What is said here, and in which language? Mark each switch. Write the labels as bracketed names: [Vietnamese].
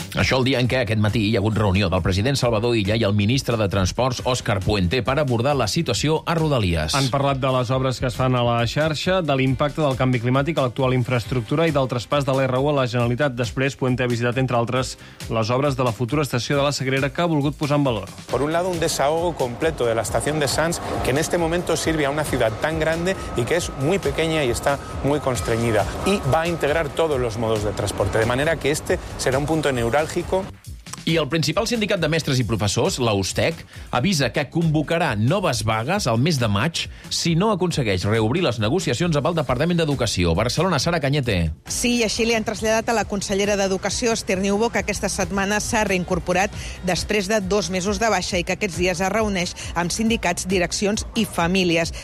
[Catalan] Això el dia en què aquest matí hi ha hagut reunió del president Salvador Illa i el ministre de Transports, Òscar Puente, per abordar la situació a Rodalies. Han parlat de les obres que es fan a la xarxa, de l'impacte del canvi climàtic a l'actual infraestructura i del traspàs de l'R1 a la Generalitat. Després, Puente ha visitat, entre altres, les obres de la futura estació de la Sagrera que ha volgut posar en valor. [Spanish] Por un lado, un desahogo completo de la estación de Sants, que en este momento sirve a una ciudad tan grande y que es muy pequeña y está muy constreñida. Y va a integrar todos los modos de transporte, de manera que este será un punto neural. [Catalan] I el principal sindicat de mestres i professors, la USTEC, avisa que convocarà noves vagues al mes de maig si no aconsegueix reobrir les negociacions amb el Departament d'Educació. Barcelona, Sara Canyete. Sí, i així li han traslladat a la consellera d'Educació, Esther Niubó, que aquesta setmana s'ha reincorporat després de 2 mesos de baixa i que aquests dies es reuneix amb sindicats, direccions i famílies.